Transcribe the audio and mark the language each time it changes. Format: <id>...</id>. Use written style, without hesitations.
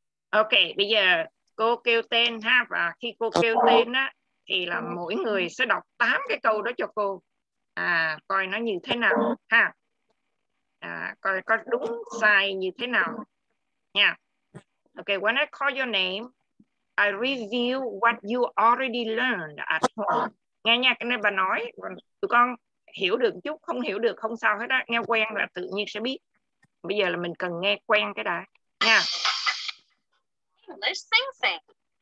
<vi>Ok, bây giờ cô kêu tên ha, và khi cô kêu tên á thì là mỗi người sẽ đọc 8 cái câu đó cho cô. Coi nó như thế nào ha. Coi có đúng sai như thế nào nha. Yeah.</vi> <en>Okay, when I call your name, I review what you already learned at home.</en> <vi>Nghe nha, cái này bà nói, tụi con hiểu được chút, không hiểu được không sao hết á. Nghe quen là tự nhiên sẽ biết. Bây giờ là mình cần nghe quen cái đã nha.</vi> <en>Let's sing sing.</en>